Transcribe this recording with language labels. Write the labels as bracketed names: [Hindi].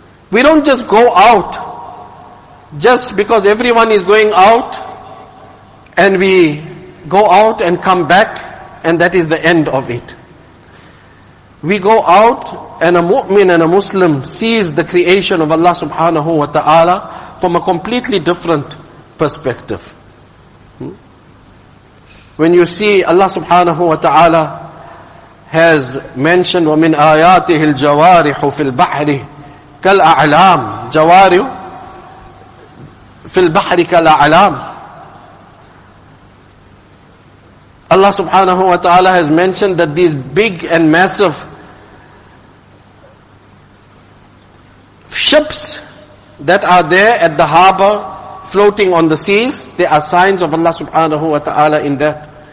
[English] We don't just go out just because everyone is going out and we go out and come back and that is the end of it. We go out and a mu'min and a Muslim sees the creation of Allah subhanahu wa ta'ala from a completely different perspective. When you see Allah subhanahu wa ta'ala has mentioned, [Arabic] وَمِنْ آيَاتِهِ الْجَوَارِحُ فِي الْبَحْرِ كَالْأَعْلَامِ جَوَارِحُ فِي الْبَحْرِ كَالْأَعْلَامِ. [English] Allah subhanahu wa ta'ala has mentioned that these big and massive ships that are there at the harbor floating on the seas, there are signs of Allah subhanahu wa ta'ala in that.